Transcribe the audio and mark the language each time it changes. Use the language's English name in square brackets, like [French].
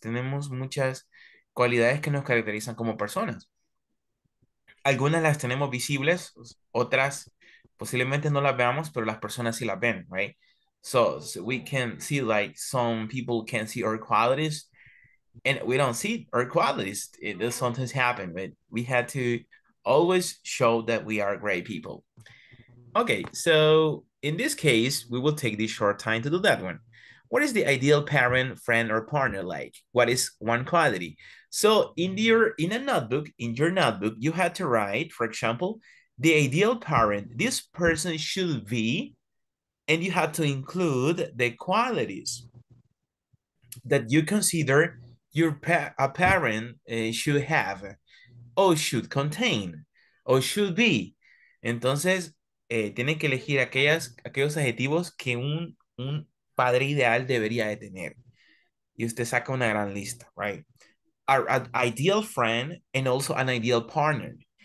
[Spanish] Tenemos muchas cualidades que nos caracterizan como personas. Algunas las tenemos visibles, otras posiblemente no las veamos, pero las personas sí las ven, right? [English] So we can see, like, some people can see our qualities, and we don't see our qualities. It does sometimes happen, but we had to always show that we are great people. Okay, so in this case, we will take this short time to do that one. What is the ideal parent, friend, or partner like? What is one quality? So in your notebook, you had to write, for example, the ideal parent, this person should be, and you had to include the qualities that you consider a parent should have, or should contain, or should be. [Spanish] Entonces, tiene que elegir aquellos adjetivos que un padre ideal debería de tener. Y usted saca una gran lista, right? [English] An ideal friend and also an ideal partner.